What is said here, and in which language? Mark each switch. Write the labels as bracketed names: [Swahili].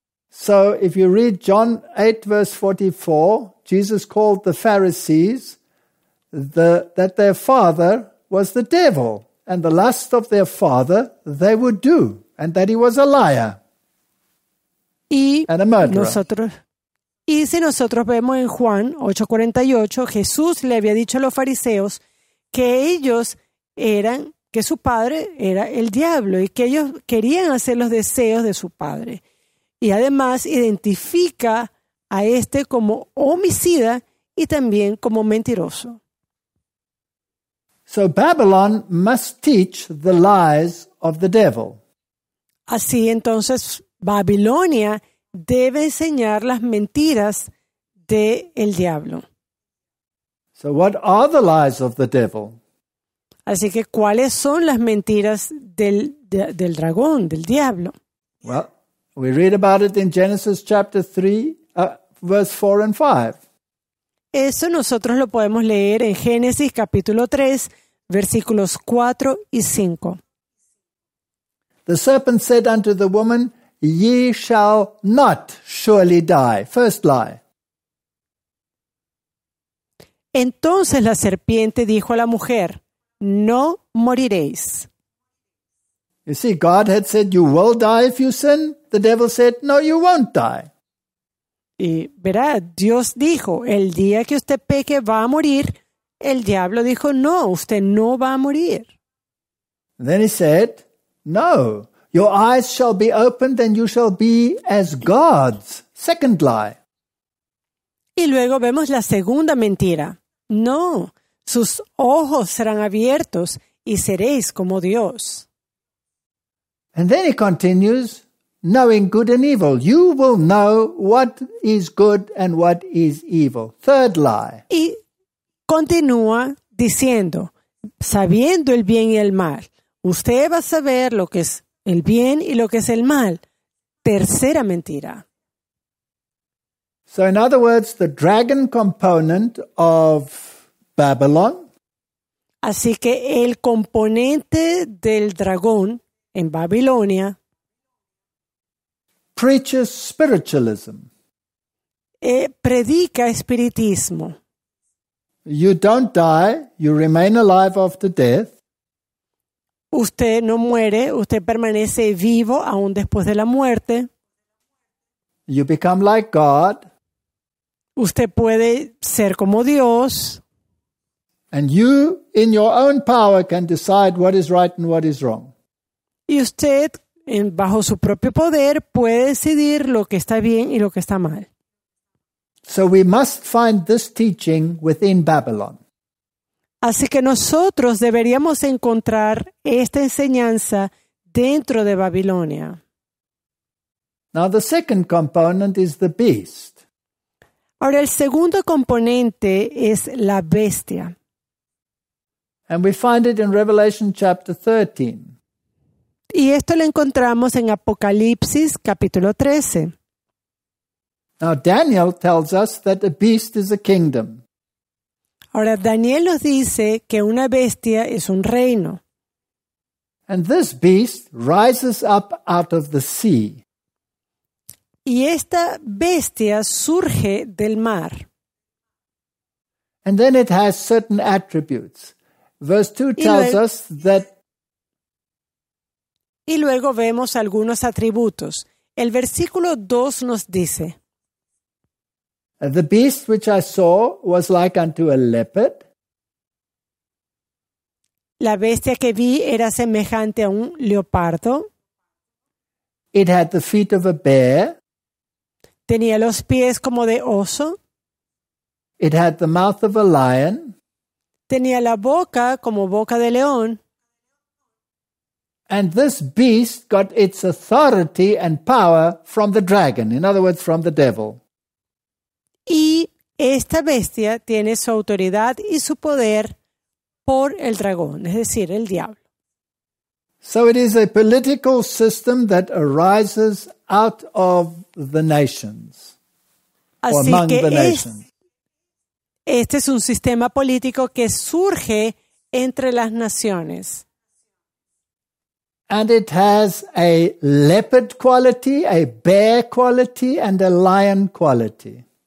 [English] So if you read John 8, verse 44, Jesus called the Pharisees that their father was the devil, and the lust of their father they would do, and that he was a liar and a murderer. [Spanish] Y si nosotros vemos en Juan 8:48, Jesús le había dicho a los fariseos que ellos eran, que su padre era el diablo y que ellos querían hacer los deseos de su padre. Y además identifica a este como homicida y también como mentiroso. [English] So Babylon must teach the lies of the devil. [Spanish] Así entonces Babilonia debe enseñar las mentiras del diablo. [English] So what are the lies of the devil? [Spanish] Así que, ¿cuáles son las mentiras del dragón, del diablo? [English] Well, we read about it in Genesis chapter 3, verse 4 and 5. [Spanish] Eso nosotros lo podemos leer en Génesis capítulo 3, versículos 4 y 5. [English] The serpent said unto the woman, ye shall not surely die. First lie. [Spanish] Entonces la serpiente dijo a la mujer, no moriréis. [English] You see, God had said you will die if you sin. The devil said, no, you won't die. [Spanish] Y verá, Dios dijo, el día que usted peque va a morir. El diablo dijo, no, usted no va a morir. [English] And then he said, no, your eyes shall be opened and you shall be as gods. Second lie. [Spanish] Y luego vemos la segunda mentira. No, sus ojos serán abiertos y seréis como Dios. [English] And then he continues, knowing good and evil. You will know what is good and what is evil. Third lie. [Spanish] Y continúa diciendo, sabiendo el bien y el mal. Usted va a saber lo que es el bien y lo que es el mal. Tercera mentira. [English] So in other words, the dragon component of Babylon. [Spanish] Así que el componente del dragón en Babilonia [English] preaches spiritualism. [Spanish] Predica espiritismo. [English] You don't die, you remain alive after death. [Spanish] Usted no muere, usted permanece vivo aún después de la muerte. [English] You become like God. [Spanish] Usted puede ser como Dios. [English] And you, in your own power, can decide what is right and what is wrong. [Spanish] Y usted, bajo su propio poder, puede decidir lo que está bien y lo que está mal. [English] So we must find this teaching within Babylon. [Spanish] Así que nosotros deberíamos encontrar esta enseñanza dentro de Babilonia. [English] Now the second component is the beast. [Spanish] Ahora el segundo componente es la bestia. [English] And we find it in Revelation chapter 13. [Spanish] Y esto lo encontramos en Apocalipsis capítulo 13. [English] Now Daniel tells us that a beast is a kingdom. [Spanish] Ahora Daniel nos dice que una bestia es un reino. [English] And this beast rises up out of the sea. [Spanish] Y esta bestia surge del mar. [English] And then it has certain attributes. Verse 2 tells us that. [Spanish] Y luego vemos algunos atributos. El versículo 2 nos dice. [English] The beast which I saw was like unto a leopard. [Spanish] La bestia que vi era semejante a un leopardo. [English] It had the feet of a bear. [Spanish] Tenía los pies como de oso. [English] It had the mouth of a lion. [Spanish] Tenía la boca como boca de león. [English] And this beast got its authority and power from the dragon, in other words, from the devil. [Spanish] Y esta bestia tiene su autoridad y su poder por el dragón, es decir, el diablo. [English] So it is a political system that arises out of the nations. [Spanish] Así [English] or among [Spanish] que [English] the nations. [Spanish] Este es un sistema político que surge entre las naciones. [English] And it has a leopard quality, a bear quality, and a lion quality.